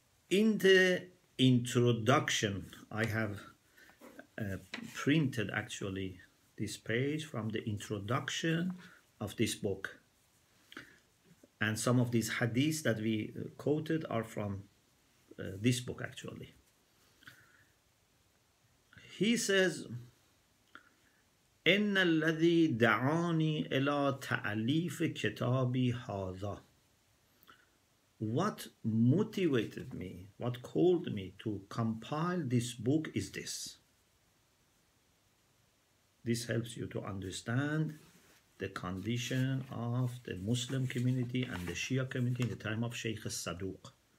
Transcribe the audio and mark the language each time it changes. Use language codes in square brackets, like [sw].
[en] In the introduction, I have printed actually this page from the introduction of this book. And some of these hadiths that we quoted are from this book actually. He says, [ar] إن الذي دعاني إلى تأليف كتابي هذا. [en] What motivated me, what called me to compile this book is this. This helps you to understand the condition of the Muslim community and the Shia community in the time of Sheikh As-Saduq.